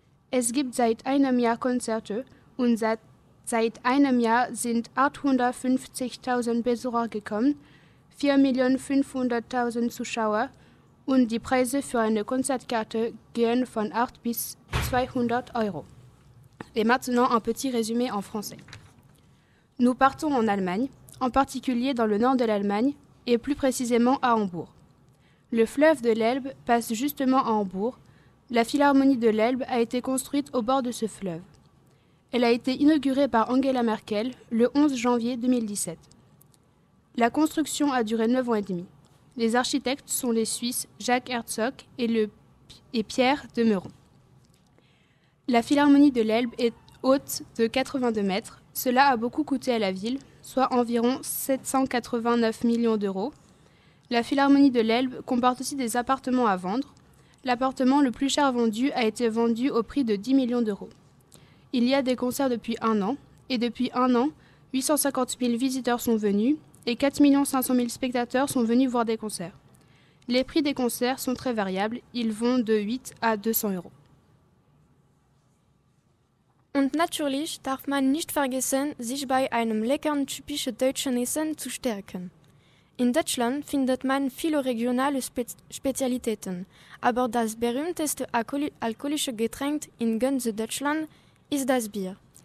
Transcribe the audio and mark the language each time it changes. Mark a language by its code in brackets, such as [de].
[de] Es gibt seit einem Jahr Konzerte und seit einem Jahr sind 850.000 Besucher gekommen, 4.500.000 Zuschauer und die Preise für eine Konzertkarte gehen von 8 bis 200 Euro. [fr] Et maintenant un petit résumé en français. Nous partons en Allemagne, en particulier dans le nord de l'Allemagne et plus précisément à Hambourg. Le fleuve de l'Elbe passe justement à Hambourg. La Philharmonie de l'Elbe a été construite au bord de ce fleuve. Elle a été inaugurée par Angela Merkel le 11 janvier 2017. La construction a duré 9 ans et demi. Les architectes sont les Suisses Jacques Herzog et Pierre de Meuron. La Philharmonie de l'Elbe est haute de 82 mètres. Cela a beaucoup coûté à la ville, soit environ 789 millions d'euros. La Philharmonie de l'Elbe comporte aussi des appartements à vendre. L'appartement le plus cher vendu a été vendu au prix de 10 millions d'euros. Il y a des concerts depuis un an, et depuis un an, 850 000 visiteurs sont venus et 4 500 000 spectateurs sont venus voir des concerts. Les prix des concerts sont très variables, ils vont de 8 à 200 euros. [de] Und natürlich darf man nicht vergessen, sich bei einem leckeren typischen deutschen Essen zu stärken. In Deutschland findet man viele regionale Spezialitäten, aber das berühmteste alkoholische Getränk in ganz Deutschland ist das Bier.